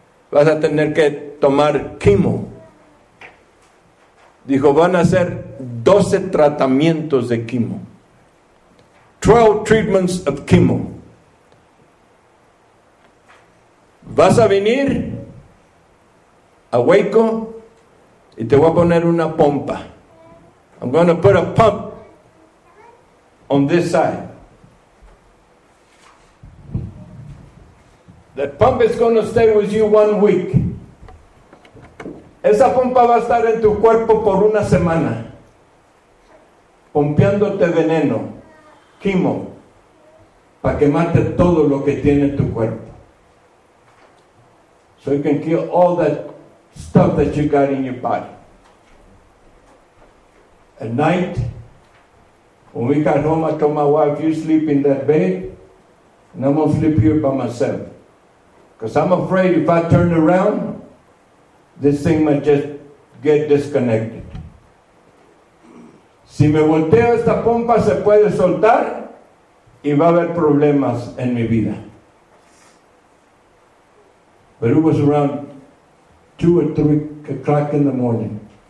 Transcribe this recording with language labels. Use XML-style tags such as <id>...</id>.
<es>Vas a tener que tomar chemo. Dijo, van a hacer 12 tratamientos de chemo.</es> <en>12 treatments of chemo.</en> <es>Vas a venir a Waco y te voy a poner una pompa.</es> <en>I'm going to put a pump on this side. That pump is going to stay with you 1 week.</en> <es>Esa pompa va a estar en tu cuerpo por una semana, pompeándote veneno, quimo, para quemarte todo lo que tiene en tu cuerpo.</es> <en>So you can kill all that stuff that you got in your body. At night, when we got home, I told my wife, you sleep in that bed, and I'm going to sleep here by myself. Because I'm afraid if I turn around, this thing might just get disconnected.</en> <es>Si me volteo, esta pompa se puede soltar y va a haber problemas en mi vida.</es> <en>But it was around 2 or 3 o'clock in the morning.</en>